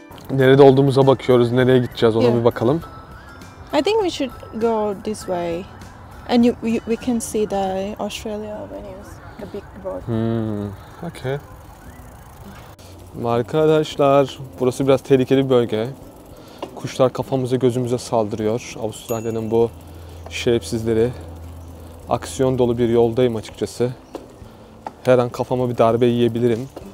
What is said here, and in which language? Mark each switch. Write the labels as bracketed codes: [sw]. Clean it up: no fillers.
[tr] Nerede olduğumuza bakıyoruz, nereye gideceğiz ona yeah. Bir bakalım. [en] I think we should go this way. And we can see the Australia venues, the big road. Okay. [tr] Arkadaşlar, burası biraz tehlikeli bir bölge. Kuşlar kafamıza, gözümüze saldırıyor. Avustralya'nın bu şerefsizleri. Aksiyon dolu bir yoldayım açıkçası. Her an kafama bir darbe yiyebilirim.